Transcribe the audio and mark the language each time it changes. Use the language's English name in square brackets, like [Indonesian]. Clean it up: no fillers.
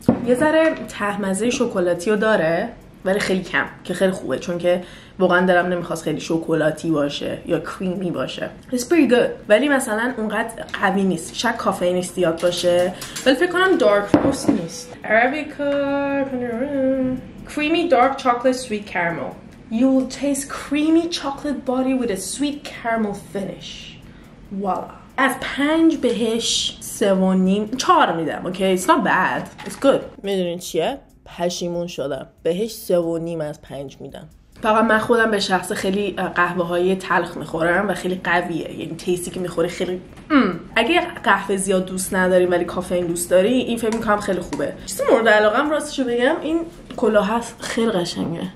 [Persian] یه ذره ته مزه شکلاتی رو داره ولی خیلی کم، که خیلی خوبه چون که واقعا دلم نمیخواست خیلی شکلاتی باشه یا کریمی باشه. [English] It's pretty good. [Persian] ولی مثلا اونقدر قوی نیست، شک کافئینش زیاد باشه، ولی فکر کنم دارک روست نیست. [English] Arabica creamy dark chocolate sweet caramel. You'll taste creamy chocolate body with a sweet caramel finish. [Persian] Voila. از 5 بهش 3.5 4 میدم. [English] Okay it's not bad, it's good. [Persian] میدونین چیه؟ پشیمون شدم. بهش 3.5 از 5 میدم. فقط من خودم به شخص خیلی قهوه های تلخ میخورم و خیلی قویه، یعنی تیسی که میخوری خیلی اگه قهوه زیاد دوست نداری ولی کافئین دوست داری، این فکر میکنم خیلی خوبه. چیز مورد علاقه هم راستشو بگم این کلاه هست، خیلی قشنگه.